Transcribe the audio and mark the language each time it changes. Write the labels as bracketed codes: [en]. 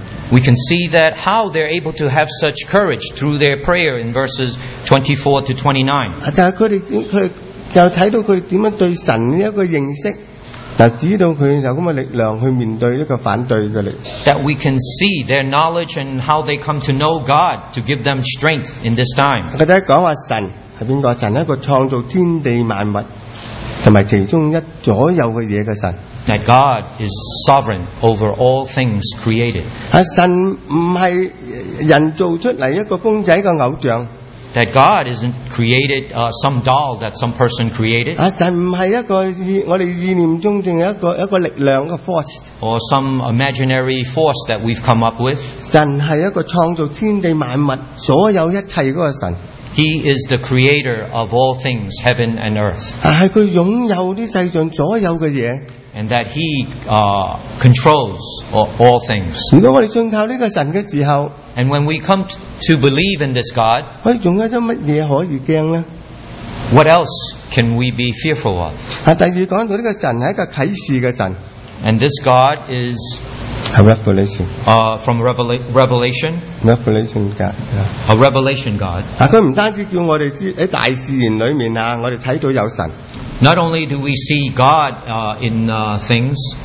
[en] we can see that how they're able to have such courage through their prayer in verses 24-29. [zh] 就看到他怎么对神的一个认识, [en] that we can see their knowledge and how they come to know God to give them strength in this time. [zh] 他们说神是谁? 神是一个创造天地万物和其中一左右的东西的神, [en] that God is sovereign over all things created. [zh] 神不是人造出来一个公仔的偶像, [en] that God isn't created some doll that some person created, [zh] 神不是一个我们意念中的一个力量的 force, [en] or some imaginary force that we've come up with. [zh] 神是一个创造天地万物所有一切的神, [en] He is the creator of all things, heaven and earth, [zh] 是他拥有世上所有的东西, [en] and that He controls all things. [zh] 如果我们信靠这个神的时候, [en] and when we come to believe in this God, [zh] 我们还有什么可以怕呢? [en] What else can we be fearful of? [zh] 第二讲到这个神是一个启示的神, [en] and this God is a revelation. From revelation? Revelation God. Yeah. A revelation God. [zh] 他不单叫我们在大自然里面, [en] not only do we see God in things,